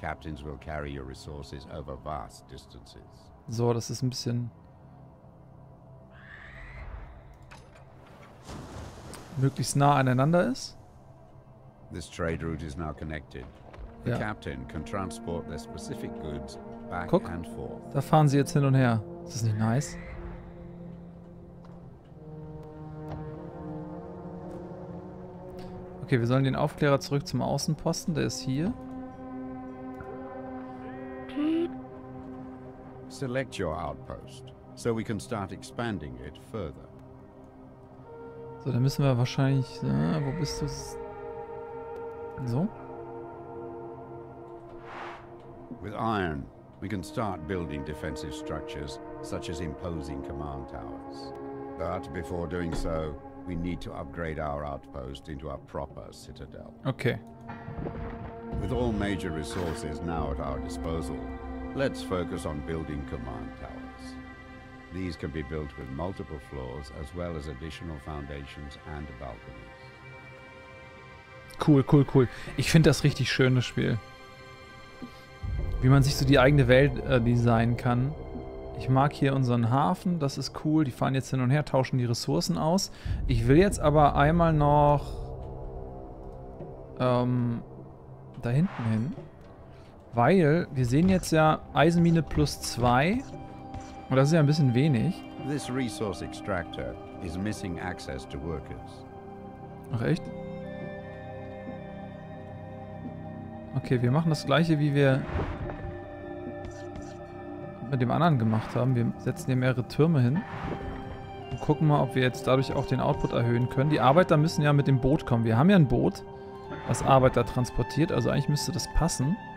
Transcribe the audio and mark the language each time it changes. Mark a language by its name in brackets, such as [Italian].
[English] Captains will carry your resources over vast distances. [German] So, das ist ein bisschen möglichst nah aneinander ist. [English] This trade route is now connected. The captain can transport their specific goods back and forth. [German] Da fahren sie jetzt hin und her. Ist das nicht nice? Okay, wir sollen den Aufklärer zurück zum Außenposten, der ist hier. [English] Select your outpost, so we can start expanding it further. [German] So, dann müssen wir wahrscheinlich. Ja, wo bist du? So? [English] With iron, we can start building defensive structures, such as imposing command towers. But before doing so. We need to upgrade our outpost into a proper citadel. Okay. With all major resources now at our disposal, let's focus on building command towers. These can be built with multiple floors as well as additional foundations and balconies. [German] Cool, cool, cool. Ich finde das richtig schön, das Spiel. Wie man sich so die eigene Welt designen kann. Ich mag hier unseren Hafen, das ist cool. Die fahren jetzt hin und her, tauschen die Ressourcen aus. Ich will jetzt aber einmal noch da hinten hin. Weil wir sehen jetzt ja Eisenmine plus 2. Und das ist ja ein bisschen wenig. [English] This resource extractor is missing access to workers. [German] Ach echt? Okay, wir machen das gleiche, wie wir mit dem anderen gemacht haben. Wir setzen hier mehrere Türme hin und gucken mal, ob wir jetzt dadurch auch den Output erhöhen können. Die Arbeiter müssen ja mit dem Boot kommen. Wir haben ja ein Boot, was Arbeiter transportiert, also eigentlich müsste das passen.